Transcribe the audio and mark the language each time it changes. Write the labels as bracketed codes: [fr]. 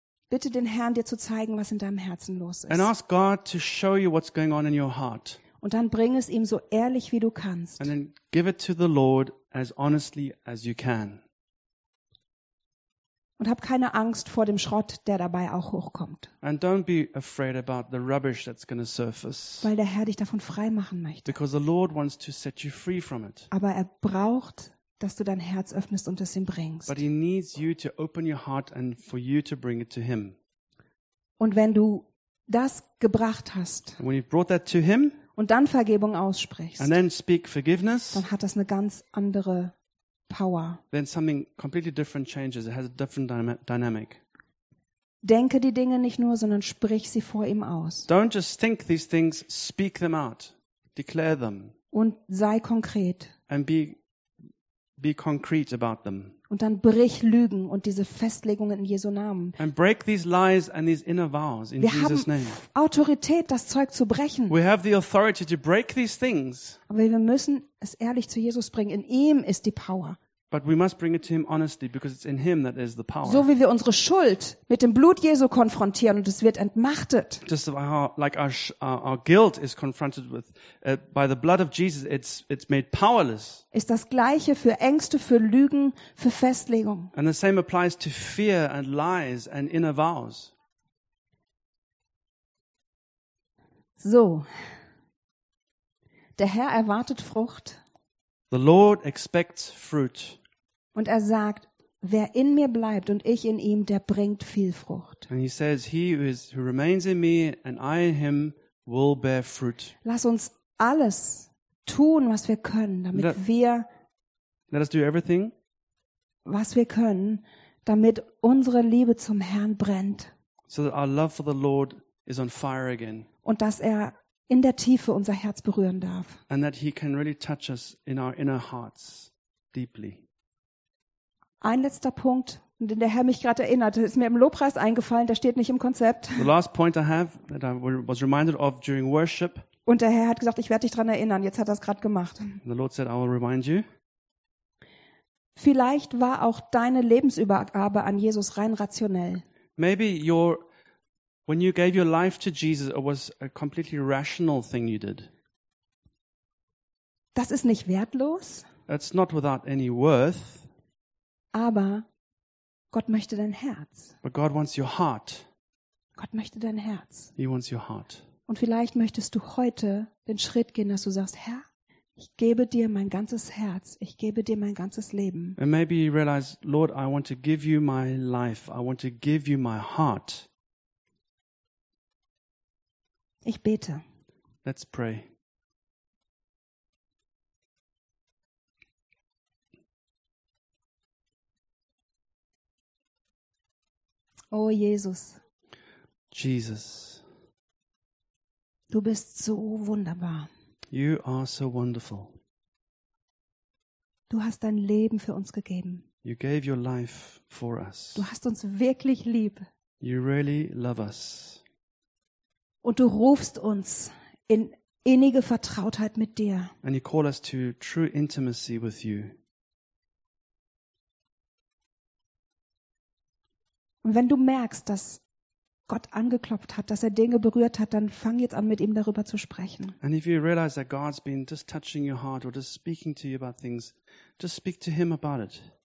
[de] Bitte den Herrn, dir zu zeigen, was in deinem Herzen los ist. [en] And ask God to show you what's going on in your heart. [de] Und dann bring es ihm so ehrlich, wie du kannst. [en] And then give it to the Lord as honestly as you can. [de] Und hab keine Angst vor dem Schrott, der dabei auch hochkommt. [en] And don't be afraid about the rubbish that's going to surface. [de] Weil der Herr dich davon frei machen möchte. [en] Because the Lord wants to set you free from it. [de] Aber er braucht, dass du dein Herz öffnest und es ihm bringst. [en] But he needs you to open your heart and for you to bring it to him. [de] Und wenn du das gebracht hast, [en] and when you've brought that to him, [de] und dann Vergebung aussprichst, [en] and then speak forgiveness, [de] dann hat das eine ganz andere Power. [en] Then something completely different changes. It has a different dynamic. [de] Denke die Dinge nicht nur, sondern sprich sie vor ihm aus. [en] Don't just think these things, speak them out. Declare them. [de] Und sei konkret. [en] And be concrete about them. [de] Und dann brich Lügen und diese Festlegungen in Jesu Namen. [en] And break these lies and these inner vows in Jesus' name. [de] Wir haben Autorität, das Zeug zu brechen. [en] We have the authority to break these things. [de] Aber wir müssen es ehrlich zu Jesus bringen. In ihm ist die Power. [en] But we must bring it to him honestly, because it's in him that is the power. [de] So wie wir unsere Schuld mit dem Blut Jesu konfrontieren und es wird entmachtet. [en] Just like our guilt is confronted with by the blood of Jesus, it's made powerless. [de] Ist das gleiche für Ängste, für Lügen, für Festlegung. [en] And the same applies to fear and lies and inner vows. [de] So. Der Herr erwartet Frucht. [en] The Lord expects fruit. [de] Und er sagt, wer in mir bleibt und ich in ihm, der bringt viel Frucht. [en] And he says, he who remains in me and I in him will bear fruit. [de] Lass uns alles tun, was wir können, damit [en] let us do everything, [de] was wir können, damit unsere Liebe zum Herrn brennt. [en] So that our love for the Lord is on fire again. [de] Und dass er in der Tiefe unser Herz berühren darf. [en] And that he can really touch us in our inner hearts deeply. [de] Ein letzter Punkt, den der Herr mich gerade erinnert, ist mir im Lobpreis eingefallen, der steht nicht im Konzept. [en] The last point I have that I was reminded of during worship. [de] Und der Herr hat gesagt, ich werde dich dran erinnern. Jetzt hat er es gerade gemacht. [en] The Lord said, I will remind you. [de] Vielleicht war auch deine Lebensübergabe an Jesus rein rationell. [en] Maybe when you gave your life to Jesus, it was a completely rational thing you did. [de] Das ist nicht wertlos. [en] It's not without any worth. [de] Aber Gott möchte dein Herz. [en] But God wants your heart. [de] Gott möchte dein Herz. [en] He wants your heart. [de] Und vielleicht möchtest du heute den Schritt gehen, dass du sagst, Herr, ich gebe dir mein ganzes Herz, ich gebe dir mein ganzes Leben. [en] And maybe you realize, Lord, I want to give you my life, I want to give you my heart. [de] Ich bete. [en] Let's pray. [de] Oh Jesus. [en] Jesus. [de] Du bist so wunderbar. [en] You are so wonderful. [de] Du hast dein Leben für uns gegeben. [en] You gave your life for us. [de] Du hast uns wirklich lieb. [en] You really love us. [de] Und du rufst uns in innige Vertrautheit mit dir. [en] And you call us to true intimacy with you. [de] Und wenn du merkst, dass Gott angeklopft hat, dass er Dinge berührt hat, dann fang jetzt an, mit ihm darüber zu sprechen. [en] And if you realize that God's been just touching your heart or just speaking to you about things, just speak to him about it.